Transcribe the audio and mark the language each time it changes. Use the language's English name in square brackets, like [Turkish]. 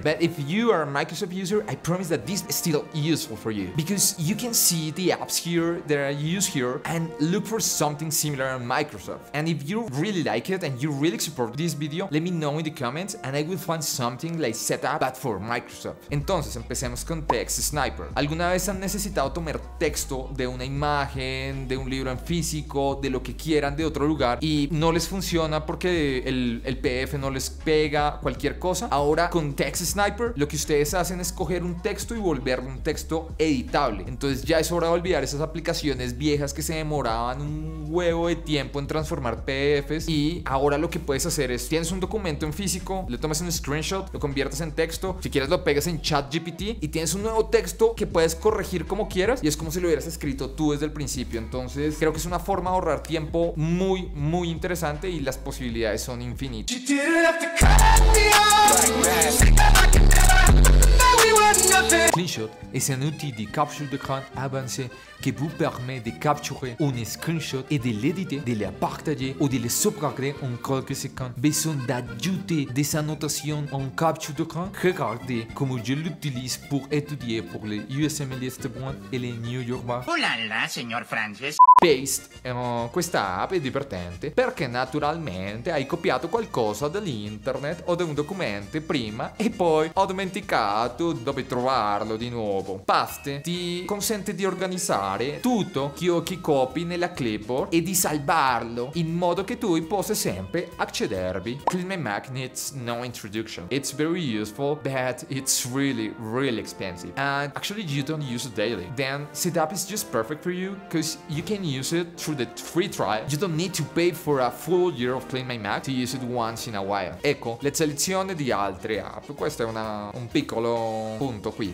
[English] But if you are a Microsoft user, I promise that this is still useful for you. Because you can see the apps here that I use here and look for something similar on Microsoft. And if you really like it and you really support this video, let me know in the comments and I will find something like SETAPP but for Microsoft. [Spanish] Entonces, empecemos con Text Sniper. ¿Alguna vez han necesitado tomar texto de una imagen, de un libro en físico, de lo que quieran de otro lugar y no les funciona porque el PDF no les pega, cualquier cosa? Ahora con Text Sniper, lo que ustedes hacen es coger un texto y volverlo un texto editable. Entonces ya es hora de olvidar esas aplicaciones viejas que se demoraban un huevo de tiempo en transformar PDFs. Y ahora lo que puedes hacer es, tienes un documento en físico, le tomas un screenshot, lo conviertes en texto. Si quieres lo pegas en ChatGPT y tienes un nuevo texto que puedes corregir como quieras. Y es como si lo hubieras escrito tú desde el principio. Entonces creo que es una forma de ahorrar tiempo muy, muy interesante y las posibilidades son infinitas. [French] Cleanshot es un outil de capture d'écran avancé que vous permet de capturer un screenshot et de l'éditer, de le partager ou de le sauvegarder en quelques secondes. Besoin d'ajouter des annotations en capture d'écran? Regardez comme je l'utilise pour étudier pour les USM de Esteban et les New York Bar. Oh là là, [Italian] signor [French] Francis. [Italian] Paste, questa app è divertente perché naturalmente hai copiato qualcosa dall'internet o da un documento prima e poi ho dimenticato dove trovarlo di nuovo. Paste ti consente di organizzare tutto ciò che copi nella clipboard e di salvarlo in modo che tu possa sempre accedervi. [English] Clean my Mac needs no introduction. It's very useful, but it's really, really expensive. And actually you don't use it daily. Then SETAPP is just perfect for you because you can use it through the free trial. You don't need to pay for a full year of Clean My Mac to use it once in a while. [Italian] Ecco, le selezioni di altre app. Questo è un piccolo punto qui.